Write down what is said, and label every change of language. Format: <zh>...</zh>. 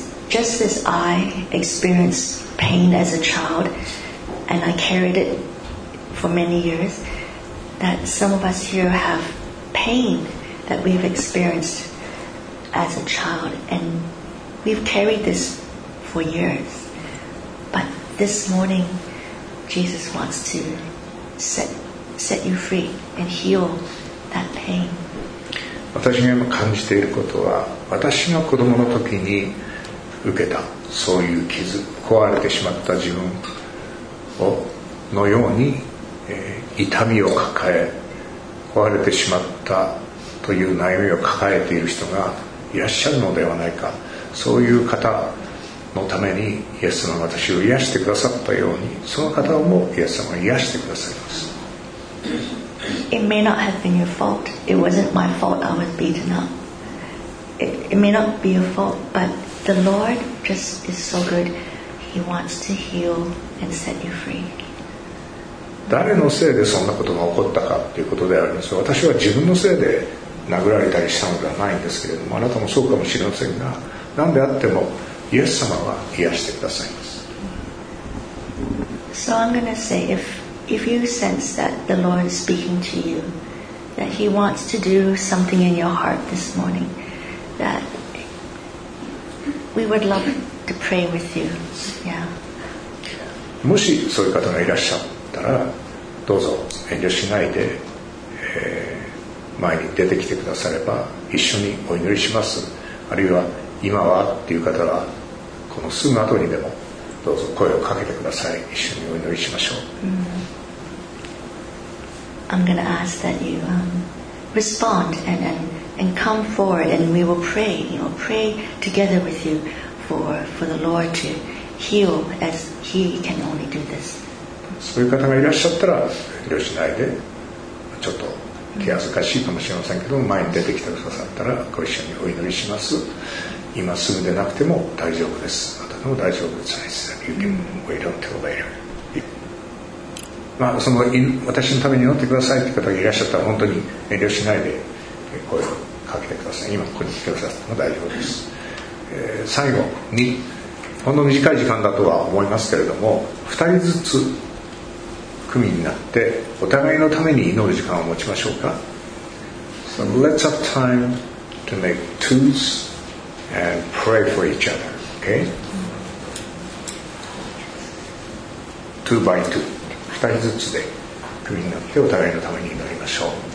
<en>Just as I experienced pain as a child, and I carried it for many years, that some of us here have pain that we've experienced as a child, and we've carried this for years. But this morning, Jesus wants to set you free and heal that pain.</en> <ja>私が今感じていることは、私が子供の時に受けたそういう傷、壊れてしまった自分をのように、痛みを抱え、壊れてしまったという悩みを抱えている人がいらっしゃるのではないか、そういう方のためにイエス様が私を癒してくださったように、その方もイエス様が癒してくださいます。</ja> <en>It may not have been your fault. It wasn't my fault. I was beaten up. It may not be your fault, butThe Lord just is so good. He wants to heal and set you free.</en> <ja>誰のせいでそんなことが起こったかということであるんですが、私は自分のせいで殴られたりしたのではないんですけれども、あなたもそうかもしれませんが、何であってもイエス様は癒してくださいます。</ja> <en>So I'm going to say, if you sense that the Lord is speaking to you, that He wants to do something in your heart this morning, that. We would love to pray with you. Yeah.</en> <ja>もしそういう方がいらっしゃったら、どうぞ遠慮しないで、前に出てきてくだされば一緒にお祈りします。あるいは今はっていう方は、このすぐ後にでもどうぞ声をかけてください。一緒にお祈りしましょう。</ja> <en>I'm going to ask that you respond and come forward and we will pray, you know, pray together with you for the Lord to heal as He can only do this.</en> <ja>そういう方がいらっしゃったら遠慮しないで、ちょっと気恥ずかしいかもしれませんけど、前に出てきてくださったらご一緒にお祈りします。今すぐでなくても大丈夫です。またでも大丈夫です。</ja> <en>You can wait until later.</en> <ja>まあ、その私のために祈ってくださいという方がいらっしゃったら、本当に遠慮しないで声をかけてください。今ここに来てくださっても大丈夫です。最後に、ほんの短い時間だとは思いますけれども、2人ずつ組になってお互いのために祈る時間を持ちましょうか。</ja> <en>So let's have time to make twos and pray for each other. Okay? Two by two.</en> <ja>2人ずつで組になってお互いのために祈りましょう。</ja>